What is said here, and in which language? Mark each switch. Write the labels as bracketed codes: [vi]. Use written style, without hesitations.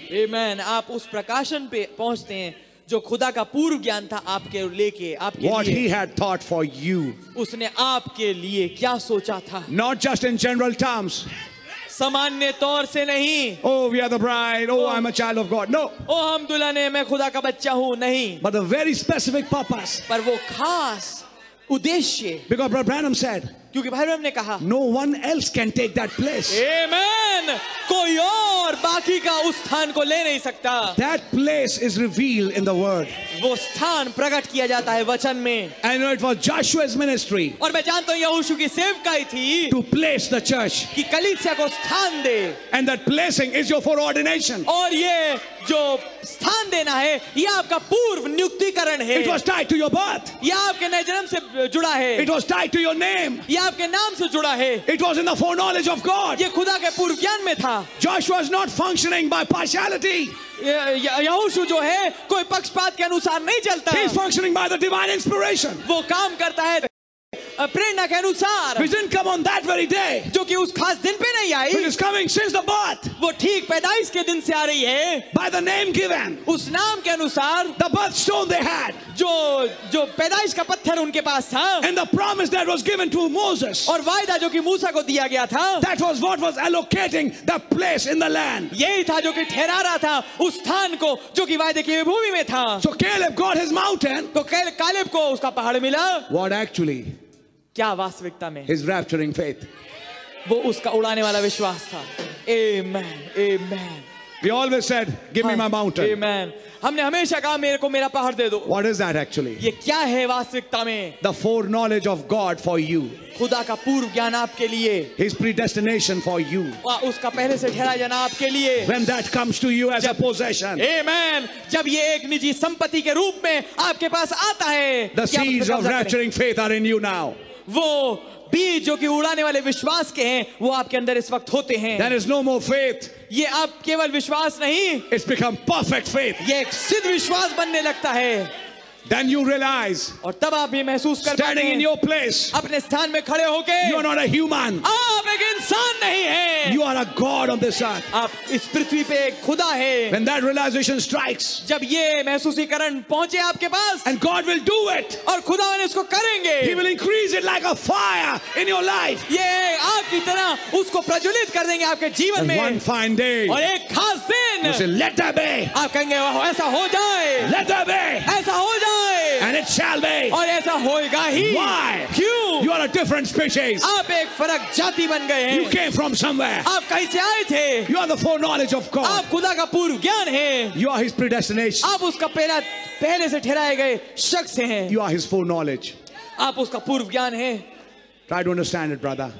[en] Amen. [hi] आप उस प्रकाशन पे पहुंचते हैं जो खुदा का पूर्व ज्ञान था आपके लेके आपके लिए. [en] What he had thought for you. [hi] उसने आपके लिए क्या सोचा था? [en] Not just in general terms. [hi] सामान्य तौर से नहीं. [en] Oh, we are the bride. Oh, I'm a child of God. No. [hi] Oh, हम दुल्हन हैं. मैं खुदा का बच्चा हूँ. नहीं. [en] But the very specific purpose. [hi] पर वो खास उद्देश्य. [en] Because Brother Branham said. [hi] क्योंकि भाई ब्रैनम ने कहा. [en] No one else can take that place. Amen. [hi] कोई और बाकी का उस स्थान को ले नहीं सकता. [en] That place is revealed in the word. [hi] वो स्थान प्रकट किया जाता है वचन में. [en] And it was Joshua's ministry. [hi] और मैं जानता हूँ यहोशू की सेवकाई थी. [en] To place the church. [hi] कि कलीसिया को स्थान दे. [en] And that placing is your foreordination. [hi] और ये जो स्थान देना है ये आपका पूर्व नियुक्तिकरण है. [en] It was tied to your birth. [hi] ये आपके नए जन्म से जुड़ा है. [en] It was tied to your name. [hi] ये आपके नाम से जुड़ा है. [en] It was in the foreknowledge of God. [hi] ये खुदा के पूर्व ज्ञान में था. [en] Joshua is not functioning by partiality. [hi] यहोशू जो है कोई पक्षपात के अनुसार नहीं चलता. [en] He is functioning by the divine inspiration. [hi] वो काम करता है प्रेरणा के अनुसार. [en] He didn't come on that very day. [hi] जो कि उस खास दिन पे नहीं आई. [en] He is coming since the birth. [hi] वो ठीक पैदाइश के दिन से आ रही है. [en] By the name given. [hi] उस नाम के अनुसार. [en] The birthstone they had. [hi] जो पैदाइश का पत्थर उनके पास था. [en] And the promise that was given to Moses. [hi] और वायदा जो कि मूसा को दिया गया था. [en] That was what was allocating the place in the land. [hi] यही था जो कि ठहरा रहा था उस स्थान को जो कि वायदे की भूमि में था. [en] So Caleb got his mountain. [hi] तो कालेब को उसका पहाड़ मिला. [en] What actually? [hi] क्या वास्तविकता में? [en] His rapturing faith. [hi] वो उसका उड़ाने वाला विश्वास था. [en] Amen, amen. We always said, give me my mountain. Amen. [hi] हमने हमेशा कहा मेरे को मेरा पहाड़ दे दो. [en] What is that actually? [hi] ये क्या है वास्तविकता में? [en] The foreknowledge of God for you. [hi] खुदा का पूर्व ज्ञान आपके लिए. [en] His predestination for you. [hi] उसका पहले से ठहरा जाना आपके लिए. [en] When that comes to you as a possession. Amen. [hi] जब ये एक निजी संपत्ति के रूप में आपके पास आता है. [en] The seeds of rapturing faith are in you now. [hi] वो बीज जो कि उड़ाने वाले विश्वास के हैं वो आपके अंदर इस वक्त होते हैं. [en] There is no more faith. [hi] ये अब केवल विश्वास नहीं. [en] It's become perfect faith. [hi] ये एक सिद्ध विश्वास बनने लगता है. [en] Then you realize. [hi] और तब आप ये महसूस कर पाते हैं. [en] Standing in your place. [hi] अपने स्थान में खड़े होके. [en] You are not a human. [hi] आप एक इंसान नहीं है. [en] You are a God on this earth. [hi] आप इस पृथ्वी पे एक खुदा है. [en] When that realization strikes. [hi] जब ये महसूसीकरण पहुंचे आपके पास. [en] And God will do it. [hi] और खुदा वाले इसको करेंगे. [en] He will increase it like a fire in your life. [hi] ये आग की तरह उसको प्रज्वलित कर देंगे आपके जीवन में. [en] One fine day. [hi] और एक खास दिन. [en] You say, let that be. [hi] आप कहेंगे ऐसा हो जाए. [en] Let that be. [hi] ऐसा हो जाए. [en] And it shall be. [hi] और ऐसा होएगा ही. [en] Why? [hi] क्यों? [en] You are a different species. [hi] आप एक फरक जाति बन गए हैं. [en] You came from somewhere. [hi] आप कहीं से आए थे. [en] You are the foreknowledge of God. [hi] आप खुदा का पूर्व ज्ञान हैं. [en] You are His predestination. [hi] आप उसका पहले से ठहराए गए शख्स हैं. [en] You are His foreknowledge. [hi] आप उसका पूर्व ज्ञान हैं. [en] Try to understand it, brother.